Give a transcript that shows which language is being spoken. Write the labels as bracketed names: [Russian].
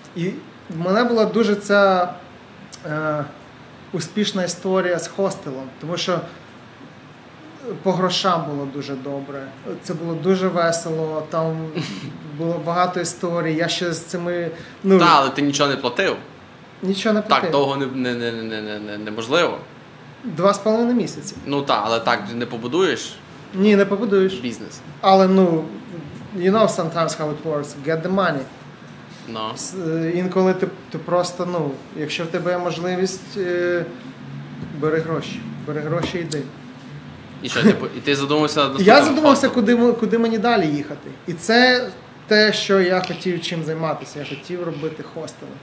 [Ukrainian] І в мене була дуже ця успішна історія з хостелом, тому що по грошам було дуже добре, це було дуже весело, там було багато історій, я ще з цими... Ну, так, але ти нічого не платив. Нічого не платив. Так, того неможливо. Два з половиною місяці. Ну так, але так не побудуєш? Ні, не побудуєш. Бізнес. Але, ну, [English] you know sometimes how it works, get the money. No. [Ukrainian] Інколи ти просто, ну, якщо в тебе є можливість, бери гроші, йди. І що, ти задумався над наступним? Я задумався, куди мені далі їхати. І це те, що я хотів чим займатися, я хотів робити хостели.